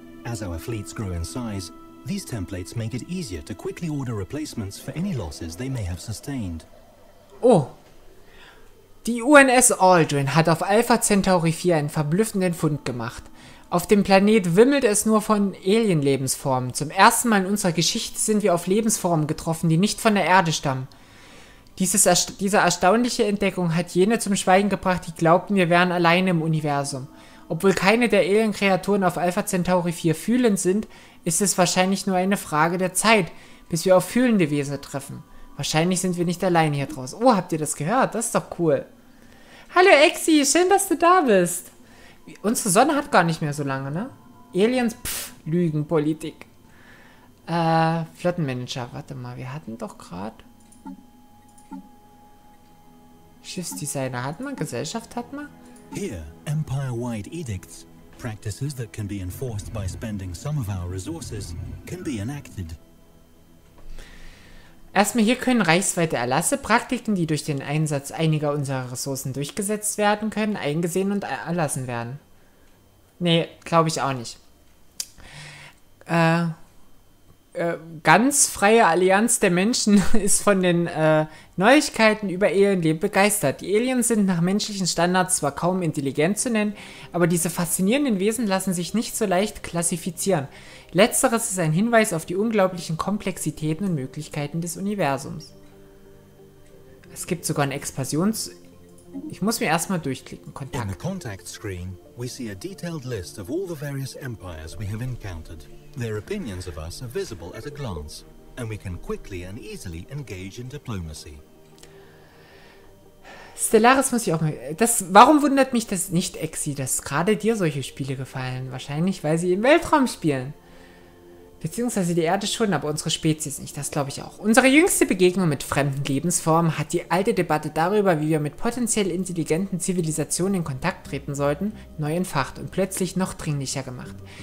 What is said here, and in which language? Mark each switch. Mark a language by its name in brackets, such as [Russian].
[English] As our fleets grow in size, these templates make it easier to quickly order replacements for any losses they may have sustained. Oh. [German] Die UNS Aldrin hat auf Alpha Centauri 4 einen verblüffenden Fund gemacht. Auf dem Planet wimmelt es nur von Alien-Lebensformen. Zum ersten Mal in unserer Geschichte sind wir auf Lebensformen getroffen, die nicht von der Erde stammen. Diese erstaunliche Entdeckung hat jene zum Schweigen gebracht, die glaubten, wir wären alleine im Universum. Obwohl keine der Alien-Kreaturen auf Alpha Centauri 4 fühlend sind, ist es wahrscheinlich nur eine Frage der Zeit, bis wir auf fühlende Wesen treffen. Wahrscheinlich sind wir nicht alleine hier draußen. Oh, habt ihr das gehört? Das ist doch cool. Hallo Exi, schön, dass du da bist. Unsere Sonne hat gar nicht mehr so lange, ne? Aliens, pfff, Lügenpolitik. Flottenmanager, warte mal, wir hatten doch gerade... Schiffsdesigner hatten wir, Gesellschaft hatten wir. [English] Hier, empire-wide edicts, practices that can be enforced by spending some of our resources, can be enacted. [German] Erstmal, hier können reichsweite Erlasse, Praktiken, die durch den Einsatz einiger unserer Ressourcen durchgesetzt werden können, eingesehen und erlassen werden. Nee, glaube ich auch nicht. Ganz freie Allianz der Menschen ist von den Neuigkeiten über Alienleben begeistert. Die Aliens sind nach menschlichen Standards zwar kaum intelligent zu nennen, aber diese faszinierenden Wesen lassen sich nicht so leicht klassifizieren. Letzteres ist ein Hinweis auf die unglaublichen Komplexitäten und Möglichkeiten des Universums. Es gibt sogar ein Expansions... Ich muss mir erstmal durchklicken. Kontakt. [English] In the contact screen, we see a detailed list of all the various empires we have encountered. Their opinions of us are visible at a glance. And we can quickly and easily engage in diplomacy. [German] Stellaris muss ich auch mal... Warum wundert mich das nicht, Exi, dass gerade dir solche Spiele gefallen? Wahrscheinlich, weil sie im Weltraum spielen. Beziehungsweise die Erde schon, aber unsere Spezies nicht, das glaube ich auch. Unsere jüngste Begegnung mit fremden Lebensformen hat die alte Debatte darüber, wie wir mit potenziell intelligenten Zivilisationen in Kontakt treten sollten, neu entfacht und plötzlich noch dringlicher gemacht.